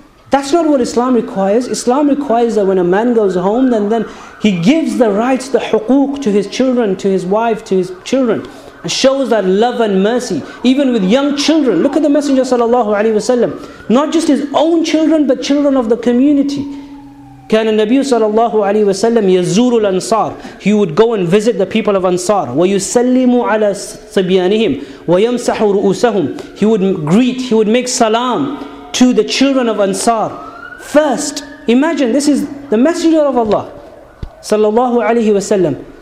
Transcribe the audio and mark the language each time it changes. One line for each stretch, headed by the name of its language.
English: That's not what Islam requires. Islam requires that when a man goes home, then he gives the rights, the huquq, to his children, to his wife, to his children, and shows that love and mercy, even with young children. Look at the Messenger sallallahu alaihi wasallam. Not just his own children, but children of the community.
Arabic: كان النبي صلى الله عليه وسلم يزور الأنصار.
English: He would go and visit the people of Ansar.
Arabic: ويسلم على صبيانهم ويمسح رؤوسهم.
English: He would greet, he would make salam to the children of Ansar. First, imagine this is the messenger of Allah
Arabic: صلى الله عليه وسلم.